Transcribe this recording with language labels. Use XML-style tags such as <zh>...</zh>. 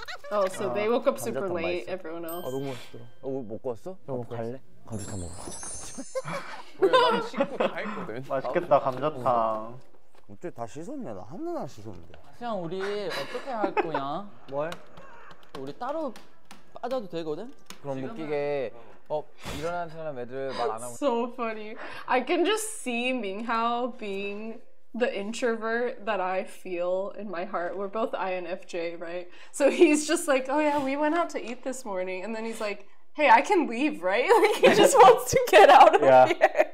<en>Oh, so they woke up super late, everyone else.</en> <ko>아, 너무 맛있더라. 어, 뭐 먹고 왔어? 형, 갈래? 감자탕 먹어. 뭐야, 나는 씻고 다 했거든. 맛있겠다, 감자탕. 어째 다 씻었냐? 나 한 눈 안 씻었는데. 그냥 우리 어떻게 할 거냐? 뭘? 우리 따로 빠져도 되거든? 그럼 웃기게 어 일어난 사람 애들 말 안 하고</ko> <en>so funny I can just see Minghao being the introvert that I feel in my heart we're both INFJ right so he's just like oh yeah we went out to eat this morning and then he's like hey I can leave right like he just wants to get out of yeah. here</en>